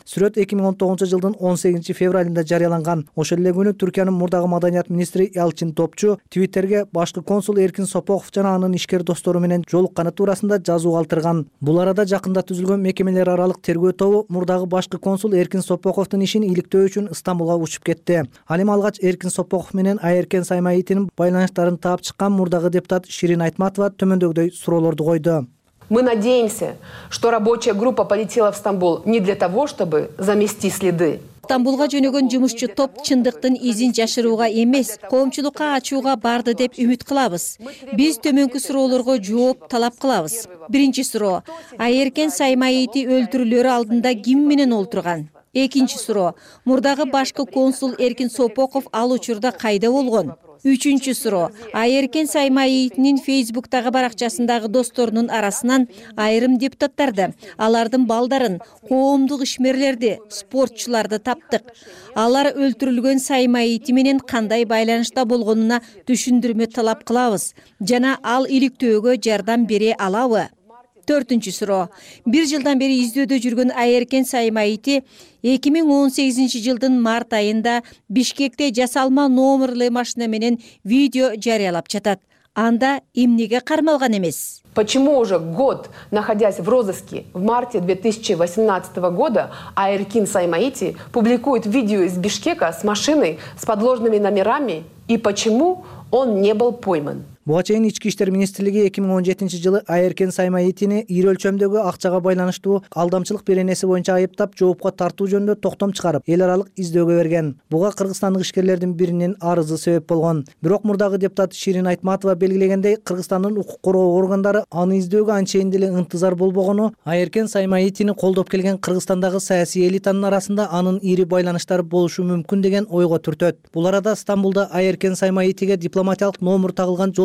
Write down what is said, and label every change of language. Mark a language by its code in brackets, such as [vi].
[ky] Сүрөт 2019 жылдын 18 февралында жарыяланган. Ошол эле күнү Түркиянын мурдагы маданият министри Ялчин Топчу Твиттерге башкы консул Эркин Сопоков жана анын ишкер достору менен жолукканы туурасында жазуу калтырган. Бул арада жакында түзүлгөн мекемелер аралык тергөө тобу мурдагы башкы консул Эркин Сопоковдун ишин иликтөө үчүн Стамбулга учуп кетти. Ал эми алгач Эркин Сопоков менен Айеркен Саймаитинин байланыштарын таап чыккан мурдагы депутат Ширин Айтматова төмөндөгүдөй суроолорду койду. [ru] Мы надеемся, что рабочая группа полетела в Стамбул не для того, чтобы замести следы. [ky] Стамбулга жөнөгөн жумушчу топ чындыктын изин жашырууга эмес, коомчулукка ачууга барды деп үмүт кылабыз. Биз төмөнкү суроолорго жооп талап кылабыз. Биринчи суроо: Айеркен Саймаити өлтүрүлөрү алдында ким менен олтурган? Экинчи суроо: мурдагы башкы консул Эркин Сопоков ал учурда кайда болгон? Үчүнчү суроо: Айеркен Саймаитинин Facebookтагы баракчасындагы досторунун арасынан айрым депутаттарды, алардын балдарын, коомдук ишмерлерди, спортчуларды таптык. Алар өлтүрүлгөн Саймаити менен кандай байланышта болгонуна түшүндүрмө талап кылабыз жана ал иликтөөгө жардам бере алабы? Төртүнчү суроо: бир жылдан бери издөөдө жүргөн Айеркен Саймаити 2018 жылдын март айында Бишкекте жасалма номерлуу машина менен видео жарыялап жатат. Анда эмнеге кармалган эмес? [ru] Почему уже год, находясь в розыске, в марте 2018 года Айеркен Саймаити публикует видео из Бишкека с машиной с подложными номерами и почему он не был пойман? [ky] Буга чейин ички иштер министрлиги 2017 жылы Айеркен Саймаитини ири өлчөмдөгү акчага байланыштуу алдамчылык беренеси боюнча айыптап жоопко тартуу жөнүндө токтом чыгарып, эл аралык издөөгө берген. Буга кыргызстандык ишкерлердин биринин арызы себеп болгон. Бирок мурдагы депутат Ширин Айтматова белгилегендей, Кыргызстандын укук коргоо органдары аны издөөгө анчейин деле ынтызар болбогону, Айеркен Саймаитини колдоп келген Кыргызстандагы саясий элитанын арасында анын ири байланыштары болушу мүмкүн деген ойго түртөт. Бул арада Стамбулда Айеркен Саймаитиге дипломатиялык номер тагылган